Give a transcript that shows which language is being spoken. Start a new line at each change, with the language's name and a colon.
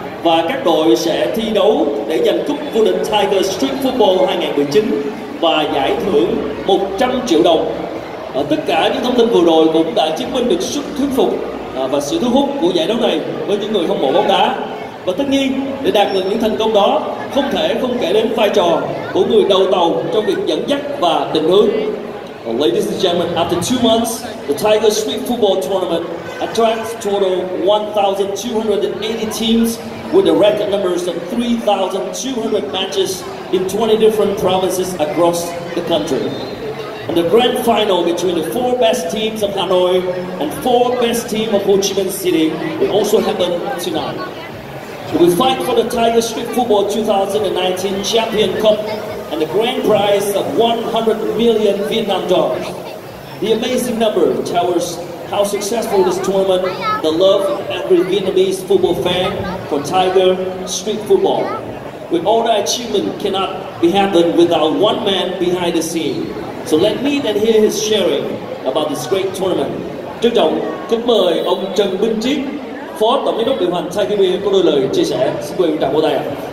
Vietnamese: Và các đội sẽ thi đấu để giành cúp vô địch Tiger Street Football 2019 và giải thưởng 100 triệu đồng. Tất cả những thông tin vừa rồi cũng đã chứng minh được sức thuyết phục và sự thu hút của giải đấu này với những người hâm mộ bóng đá. Và tất nhiên, để đạt được những thành công đó, không thể không kể đến vai trò của người đầu tàu trong việc dẫn dắt và định hướng.
English: Ladies and gentlemen, after 2 months, the Tiger Street Football Tournament attracts total 1,280 teams with the record numbers of 3,200 matches in 20 different provinces across the country. And the grand final between the 4 best teams of Hanoi and 4 best teams of Ho Chi Minh City will also happen tonight. We fight for the Tiger Street Football 2019 Champion Cup and the grand prize of 100 million Vietnam dollars. The amazing number tells how successful this tournament, the love of every Vietnamese football fan for Tiger Street Football. With all the achievement cannot be happened without one man behind the scene. So let me then hear his sharing about this great tournament.
Vietnamese: Trân trọng kính mời ông Trần Minh Triết, Phó Tổng Giám đốc điều hành Tiger Beer có đôi lời chia sẻ. Xin mời ông Trần vỗ tay ạ.